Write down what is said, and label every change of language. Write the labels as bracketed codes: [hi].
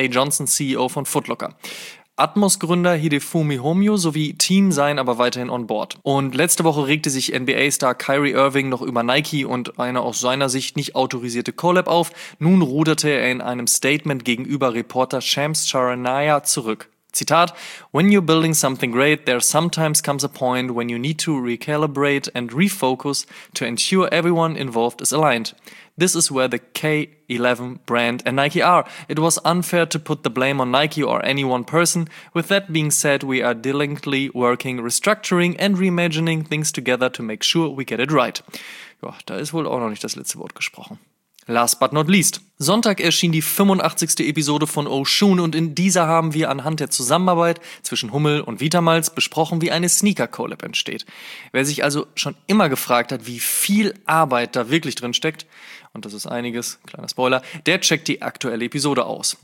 [de] Johnson, CEO von Footlocker. Atmos-Gründer Hidefumi Homyo sowie Team seien aber weiterhin on board. Und letzte Woche regte sich NBA-Star Kyrie Irving noch über Nike und eine aus seiner Sicht nicht autorisierte Collab auf. Nun ruderte er in einem Statement gegenüber Reporter Shams Charania zurück. Zitat: [en] When you're building something great, there sometimes comes a point when you need to recalibrate and refocus to ensure everyone involved is aligned. This is where the K11 brand and Nike are. It was unfair to put the blame on Nike or any one person. With that being said, we are diligently working, restructuring and reimagining things together to make sure we get it right. [de] Ja, da ist wohl auch noch nicht das letzte Wort gesprochen. [en] Last but not least. [de] Sonntag erschien die 85. Episode von Oshun und in dieser haben wir anhand der Zusammenarbeit zwischen Hummel und Vitamalz besprochen, wie eine Sneaker-Collab entsteht. Wer sich also schon immer gefragt hat, wie viel Arbeit da wirklich drin steckt, und das ist einiges, kleiner Spoiler, der checkt die aktuelle Episode aus.